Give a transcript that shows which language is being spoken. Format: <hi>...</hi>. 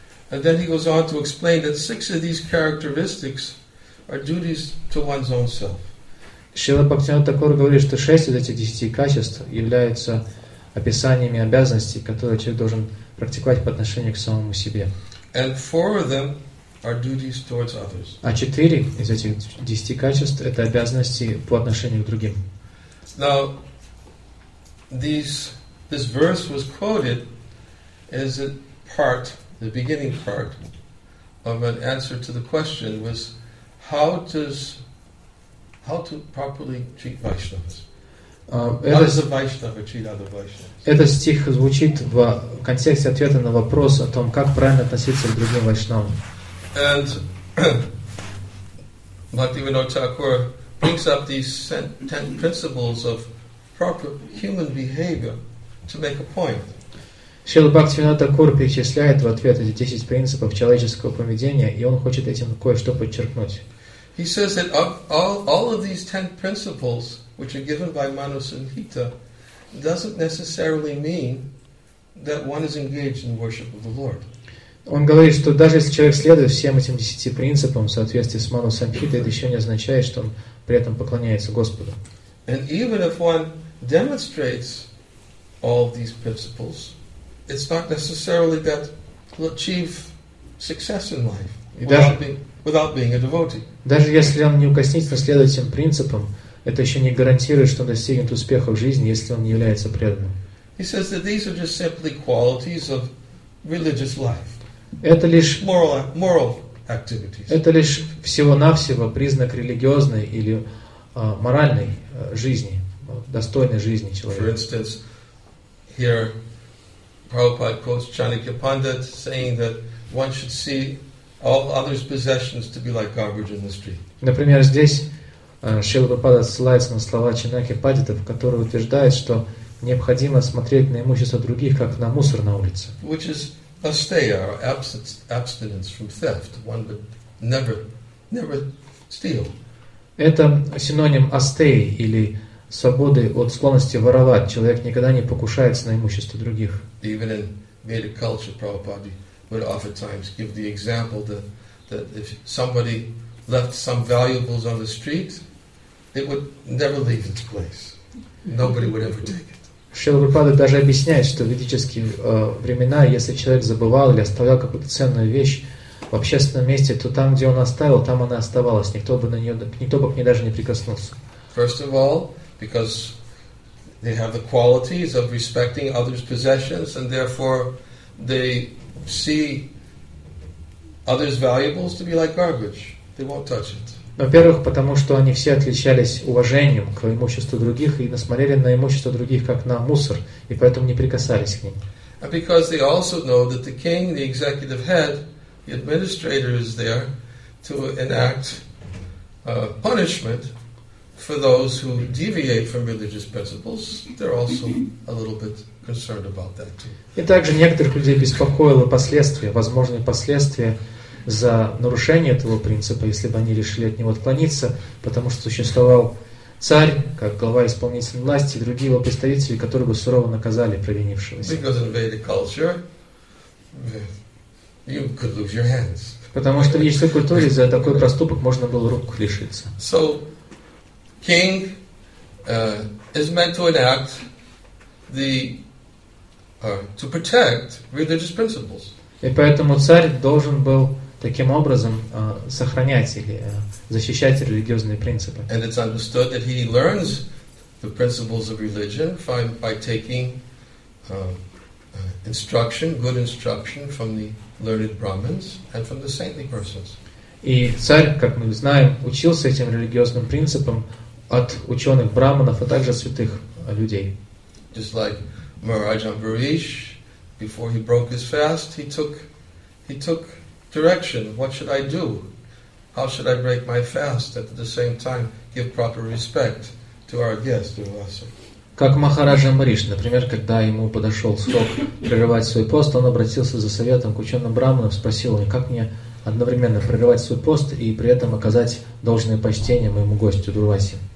<en>And then he goes on to explain that six of these characteristics are duties to one's own self.</en> <ru>Шрила Бхактивинода Тхакура говорит, что шесть из этих десяти качеств являются описаниями обязанностей, которые человек должен практиковать по отношению к самому себе.</ru> <en>And four of them are duties towards others.</en> <ru>А четыре из этих десяти качеств – это обязанности по отношению к другим.</ru> <en>Now, this verse was quoted as a part, the beginning part, of an answer to the question was, how to properly treat Vaishnavas? How does a Vaishnava treat other Vaishnavas?</en> <ru>Этот стих звучит в контексте ответа на вопрос о том, как правильно относиться к другим Вайшнавам.</ru> <en>And Bhaktivinoda Thakur brings up these ten principles of proper human behavior to make a point.</en> <ru>Шрила Бхактивинода Тхакура перечисляет в ответ эти 10 принципов человеческого поведения, и он хочет этим кое-что подчеркнуть.</ru> <en>He says that all of these 10 principles, which are given by Manusmriti, doesn't necessarily mean that one is engaged in worship of the Lord.</en> <ru>Он говорит, что даже если человек следует всем этим 10 принципам в соответствии с Манусмритой, это еще не означает, что он при этом поклоняется Господу.</ru> <en>And even if one demonstrates all of these principles, it's not necessarily that he'll achieve success in life without being a devotee.</en> <ru>Даже если он неукоснительно следует этим принципам, это еще не гарантирует, что он достигнет успеха в жизни, если он не является преданным.</ru> <en>He says that these are just simply qualities of religious life.</en> <ru>Это лишь</ru> <en>moral activities.</en> <ru>Это лишь всего-навсего признак религиозной или моральной жизни, достойной жизни человека.</ru> <en>For instance, here Prabhupada quotes Chanakya Pandit saying that one should see all others' possessions to be like garbage in the street.</en> <ru>Например, здесь Шрила Прабхупада ссылается на слова Чанакья Пандита, который утверждает, что необходимо смотреть на имущество других как на мусор на улице.</ru> <en>Which is asteya, or abstinence from theft. One would never steal.</en> <ru>Это синоним астеи или свободы от склонности воровать. Человек никогда не покушается на имущество других.</ru> <en>Even in Vedic culture, Prabhupada would oftentimes give the example that if somebody left some valuables on the street, it would never leave its place. Nobody would ever take it.</en> <ru>Шрила Прабхупада даже объясняет, что в ведические времена, если человек забывал или оставлял какую-то ценную вещь в общественном месте, то там, где он оставил, там она оставалась. Никто бы к ней даже не прикоснулся.</ru> <en>First of all, because they have the qualities of respecting others' possessions, and therefore they see others' valuables to be like garbage. They won't touch it.</en> <ru>Во-первых, потому что они все отличались уважением к имуществу других и насмотрели на имущество других как на мусор, и поэтому не прикасались к ним.</ru> <en>And because they also know that the king, the executive head, the administrator is there to enact punishment for those who deviate from religious principles, they're also a little bit concerned about that too.</en> <ru>И также некоторых людей беспокоило последствия, возможные последствия за нарушение этого принципа, если бы они решили от него отклониться, потому что существовал царь, как глава исполнительной власти, и другие его представители, которые бы сурово наказали провинившегося.</ru> <en>Because in Vedic culture, you could lose your hands.</en> <ru>Потому что в ведической культуре за такой проступок можно было рук лишиться.</ru> <en>So, king is meant to enact to protect religious principles.</en> <ru>И поэтому царь должен был таким образом сохранять или защищать религиозные принципы.</ru> <en>And it's understood that he learns the principles of religion by taking instruction, good instruction from the learned Brahmins and from the saintly persons.</en> <ru>И царь, как мы знаем, учился этим религиозным принципам от ученых браманов, а также святых людей.</ru> <en>Just like Maharaj Ambarish, before he broke his fast, he took direction. What should I do? How should I break my fast at the same time give proper respect to our guest, Durvasa?</en> <ru>Как Махарадж Амбариш, например, когда ему подошел срок прерывать свой пост, он обратился за советом к ученым браманам, спросил у них, как мне одновременно прерывать свой пост и при этом оказать должное почтение моему гостю Дурваси.</ru>